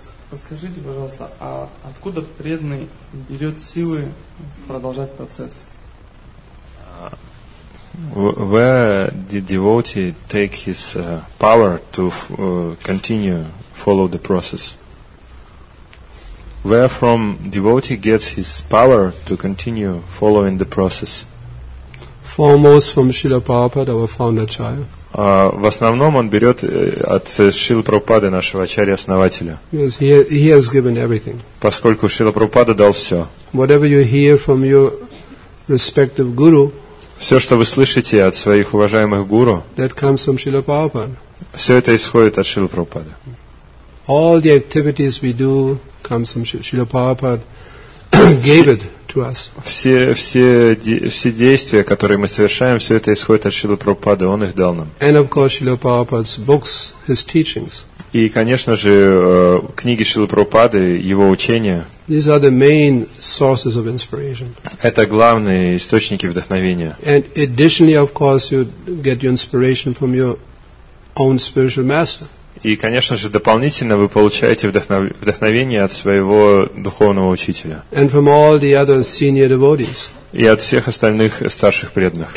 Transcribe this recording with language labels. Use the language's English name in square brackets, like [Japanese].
[Russian] Подскажите, пожалуйста, а откуда преданный берет силы продолжать процесс? [English] Where the devotee take his power to continue follow the process? Where from devotee gets his power to continue following the process? Foremost from Srila Prabhupada, our founder child. [Russian] В основном он берет от Шрилы Прабхупады, нашего ачарьи-основателя. [English] Yes, he has given everything. [Russian] Поскольку Шрила Прабхупада дал все. [English] Whatever you hear from your respective guru. [Russian] Все, что вы слышите от своих уважаемых гуру. [English] That comes from Srila Prabhupada. [Russian] Все это исходит от Шрилы Прабхупады. [English] All the activities we do comes from Srila Prabhupada. Gave it. [Russian] Все действия, которые мы совершаем, все это исходит от Шрилы Прабхупады, Он их дал нам. [English] And of course, Srila Prabhupada's books, his teachings. [Russian] И, конечно же, книги Шрилы Прабхупады, его учения. [English] These are the main sources of inspiration. [Russian] Это главные источники вдохновения. [English] And additionally, of course, you get your inspiration from your own spiritual master. [Russian] И, конечно же, дополнительно вы получаете вдохновение от своего духовного учителя. [English] And from all the other senior devotees. [Russian] И от всех остальных старших преданных.